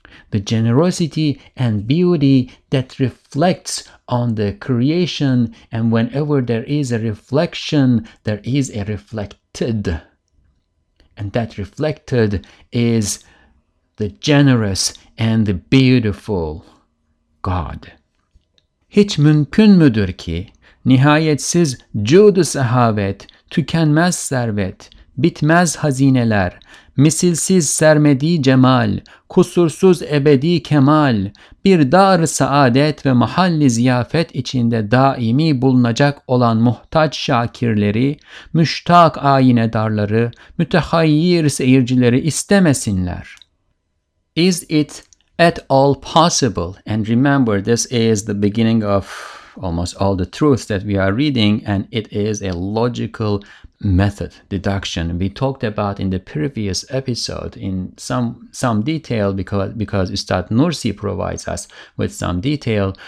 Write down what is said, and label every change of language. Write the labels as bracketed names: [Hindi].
[English] The generosity and beauty that reflects on the creation, and whenever there is a reflection, there is a reflected. And that reflected is the generous and the beautiful God. [Turkish] Hiç mümkün müdür ki nihayetsiz cud-u sehavet, tükenmez servet, bitmez hazineler, misilsiz sermedi cemal, kusursuz ebedi kemal, bir dar-ı saadet ve mahalli ziyafet içinde daimi bulunacak olan muhtaç şakirleri, müştak ayine darları, mütehayyir seyircileri istemesinler. [English] Is it at all possible? And remember, this is the beginning of almost all the truths that we are reading, and it is a logical method, deduction. We talked about in the previous episode in some detail because Ustad Nursi provides us with some detail.